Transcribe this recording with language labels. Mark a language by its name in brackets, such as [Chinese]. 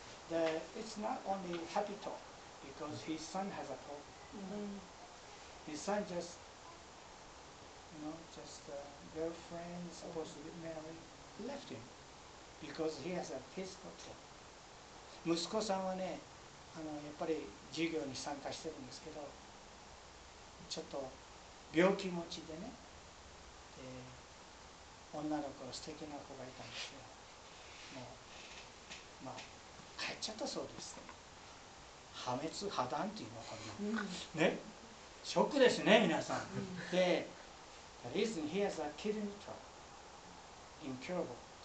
[English] The, it's not only happy talk, because his son has a problem.、Mm-hmm. His son just, you know, just a girlfriend, supposed to be married, left him. Because he has a physical problem. [Japanese] 息子さんはね、やっぱり授業に参加してるんですけど、ちょっと病気持ちでね、で女の子、素敵な子がいたんですよ。もう、まあ、帰っちゃったそうです。破滅、破断というのかな。ね、ショックですね、皆さん。 [English] で、The reason he has a kidney trouble, incurable.